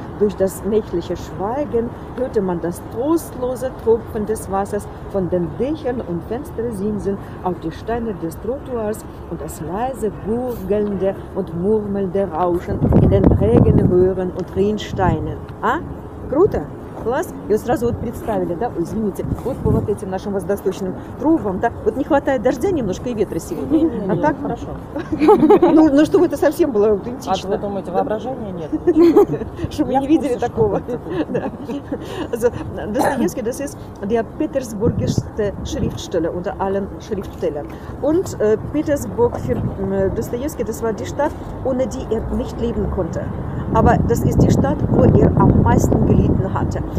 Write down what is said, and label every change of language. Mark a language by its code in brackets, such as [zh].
[de] Durch das nächtliche Schweigen hörte man das trostlose Tropfen des Wassers von den Dächern und Fenstersimsen auf die Steine des Trottoirs und das leise gurgelnde und murmelnde Rauschen in den Regenröhren und Rinnsteinen. [ru] А? Круто! Класс! И вот сразу вот представили, да? Ой, извините. Вот по вот этим нашим воздосточным трубам, да? Вот не хватает дождя немножко и ветра сегодня. Не, а не, так? Не, хорошо. Ну, чтобы это совсем было аутентично. А что вы думаете, воображения нет? Чтобы не видели такого. [de] Достоевский, das ist der петербургский Schriftsteller unter allen Schriftstellern. Und Petersburg für Достоевский, das war die Stadt, ohne die nicht leben konnte. Aber das ist die Stadt, wo am meisten gelitten hat.